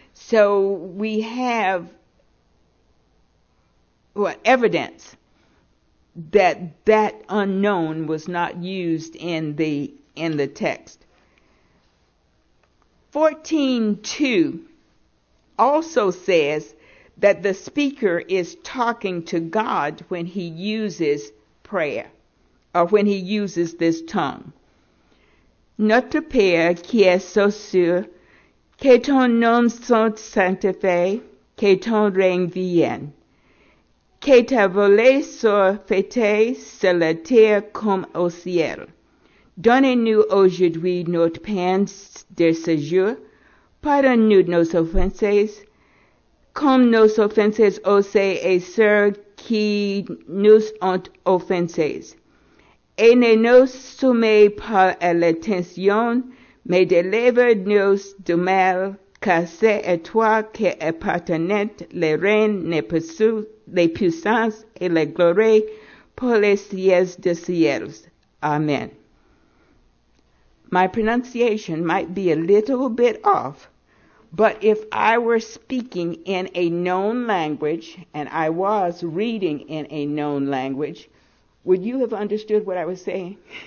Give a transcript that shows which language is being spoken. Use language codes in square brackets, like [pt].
[en] So we have evidence that unknown was not used in the text. 14:2 also says that the speaker is talking to God when he uses prayer, or when he uses this tongue. [fr] Notre Père qui es aux cieux, que ton nom soit sanctifié, que ton règne vienne. Que ta volée soit faite sur la terre comme au ciel. Donne-nous aujourd'hui notre pain de ce jour. Pardonne-nous nos offenses, comme nos offenses aussi et ceux qui nous ont offensés. Et ne nous soumets pas à la tentation, mais délivre-nous du mal, car c'est à toi que appartenait le règne, les puissances, et la gloire pour les siècles des siècles. Amen. [en] My pronunciation might be a little bit off, but if I were speaking in a known language, and I was reading in a known language, would you have understood what I was saying?